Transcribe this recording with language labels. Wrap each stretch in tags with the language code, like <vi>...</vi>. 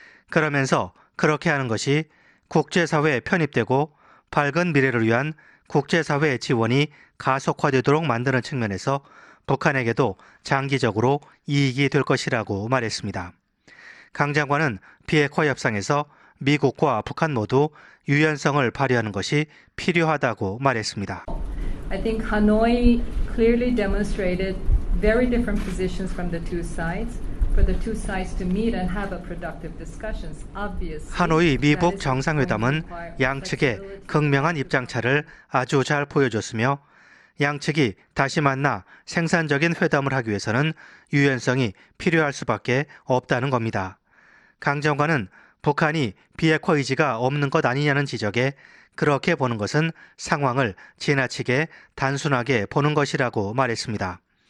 <ko>그러면서 그렇게 하는 것이 국제사회에 편입되고 밝은 미래를 위한 국제사회의 지원이 가속화되도록 만드는 측면에서 북한에게도 장기적으로 이익이 될 것이라고 말했습니다. 강 장관은 비핵화 협상에서 미국과 북한 모두 유연성을 발휘하는 것이 필요하다고 말했습니다.</ko> <en>I think Hanoi clearly demonstrated very different positions from the two sides for the two sides to meet and have a productive discussions. Obviously,</en> <ko>하노이 미북 정상회담은 양측의 극명한 입장차를 아주 잘 보여줬으며 양측이 다시 만나 생산적인 회담을 하기 위해서는 유연성이 필요할 수밖에 없다는 겁니다. 강 장관은 북한이 비핵화 의지가 없는 것 아니냐는 지적에 그렇게 보는 것은 상황을 지나치게 단순하게 보는 것이라고 말했습니다.</ko>